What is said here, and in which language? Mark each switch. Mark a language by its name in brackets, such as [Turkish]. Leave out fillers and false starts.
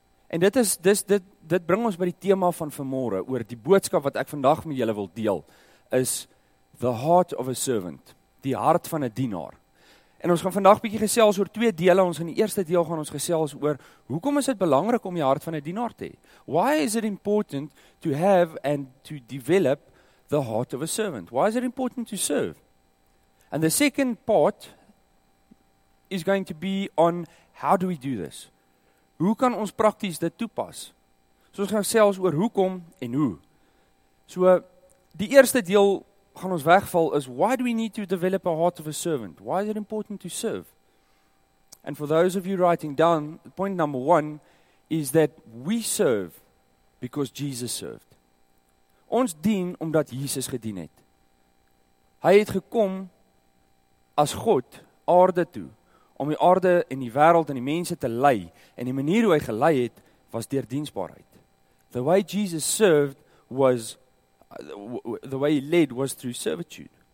[Afrikaans] En dit bring ons by die tema van vanmôre oor die boodskap wat ek vandag met julle wil deel [English] is the heart of a servant, [Afrikaans] die hart van 'n dienaar. En ons gaan vandag bietjie gesels oor twee dele. Ons in die eerste deel gaan ons gesels oor hoekom is dit belangrik om die hart van 'n dienaar te hê? [English] Why is it important to have and to develop the heart of a servant? Why is it important to serve? And the second part is going to be on how do we do this? [Afrikaans] Hoe kan ons prakties dit toepas? So ons gaan gesels oor hoekom en hoe. So die eerste deel gaan ons wegval is, [English] why do we need to develop a heart of a servant? Why is it important to serve? And for those of you writing down, point number one is that we serve because Jesus served. [Afrikaans] Ons dien omdat Jesus gedien het. Hy het gekom as God aarde toe, om die aarde en die wêreld en die mense te lei, en die manier hoe hy gelei het, was deur diensbaarheid. [English] The way Jesus served was, the way he led was through servitude.